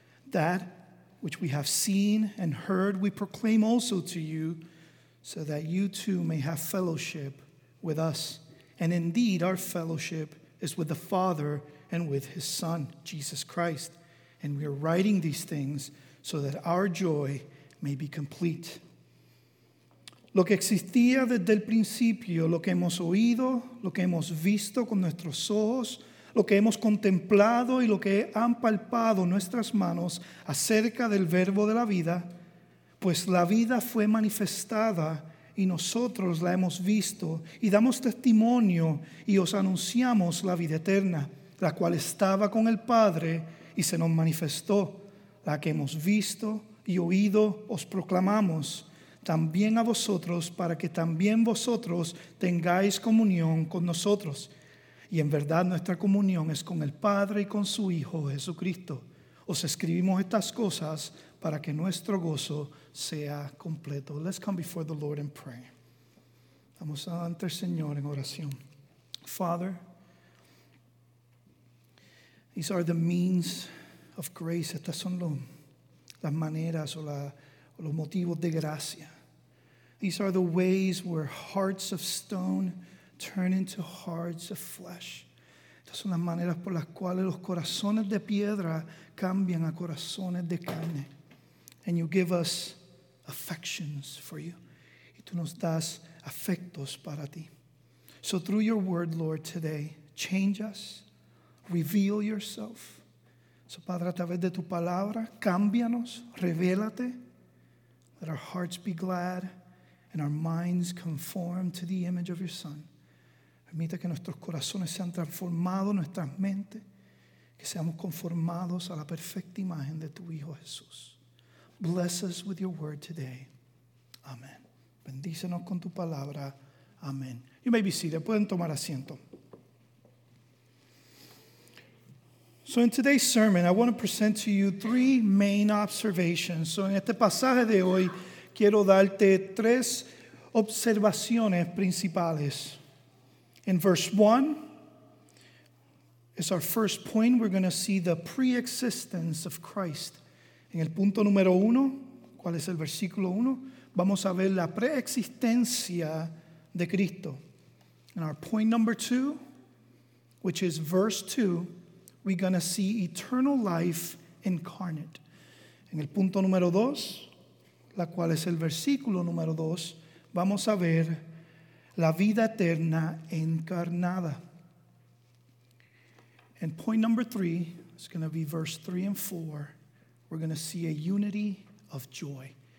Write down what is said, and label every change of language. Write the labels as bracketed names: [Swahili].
[English] That which we have seen and heard, we proclaim also to you, so that you too may have fellowship with us. And indeed, our fellowship is with the Father and with his Son, Jesus Christ. And we are writing these things so that our joy may be complete. [Spanish] Lo que existía desde el principio, lo que hemos oído, lo que hemos visto con nuestros ojos, lo que hemos contemplado y lo que han palpado nuestras manos acerca del verbo de la vida, pues la vida fue manifestada y nosotros la hemos visto y damos testimonio y os anunciamos la vida eterna, la cual estaba con el Padre y se nos manifestó. La que hemos visto y oído os proclamamos también a vosotros para que también vosotros tengáis comunión con nosotros. Y en verdad nuestra comunión es con el Padre y con su Hijo Jesucristo. Os escribimos estas cosas para que nuestro gozo sea completo. [English] Let's come before the Lord and pray. [Spanish] Vamos ante el Señor en oración. [English] Father, these are the means of grace. [Spanish] Estas son las maneras o los motivos de gracia. [English] These are the ways where hearts of stone turn into hearts of flesh. [Spanish] Estas son las maneras por las cuales los corazones de piedra cambian a corazones de carne. [English] And you give us affections for you. [Spanish] Y tú nos das afectos para ti. [English] So through your word, Lord, today, change us, reveal yourself. [Spanish] So, Padre, a través de tu palabra, cámbianos, revélate. [English] Let our hearts be glad and our minds conform to the image of your Son. [Spanish] Permita que nuestros corazones sean transformados, nuestras mentes, que seamos conformados a la perfecta imagen de tu Hijo Jesús. [English] Bless us with your word today. Amen. [Spanish] Bendícenos con tu palabra. [English] Amen. You may be seated. [Spanish] Pueden tomar asiento. [English] So in today's sermon, I want to present to you three main observations. [Spanish] So en este pasaje de hoy, quiero darte tres observaciones principales. [English] In verse 1, it's our first point, we're going to see the pre-existence of Christ. [Spanish] En el punto número 1, ¿cuál es el versículo 1? Vamos a ver la preexistencia de Cristo. [English] In our point number 2, which is verse 2, we're going to see eternal life incarnate. [Spanish] En el punto número 2, la cual es el versículo número 2, vamos a ver la vida eterna encarnada. [English] And point number 3 is going to be verse 3 and 4. We're going to see a unity of joy.